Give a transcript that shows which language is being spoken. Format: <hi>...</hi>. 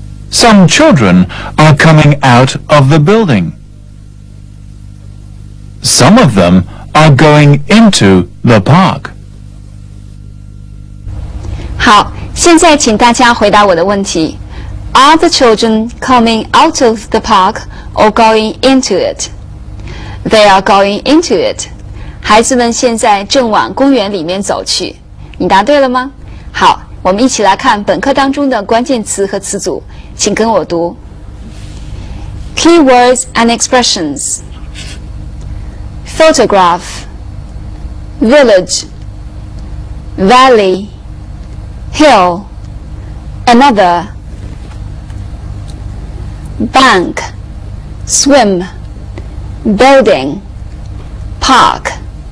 <en>Some children are coming out of the building. Some of them are going into the park.</en> <zh>好，现在请大家回答我的问题。</zh> <en>Are the children coming out of the park or going into it? They are going into it.</en> <zh>孩子们现在正往公园里面走去。你答对了吗？好，我们一起来看本课当中的关键词和词组，请跟我读。</zh> <en>Keywords and expressions: photograph, village, valley, hill, another, bank, swim, building, park。</en>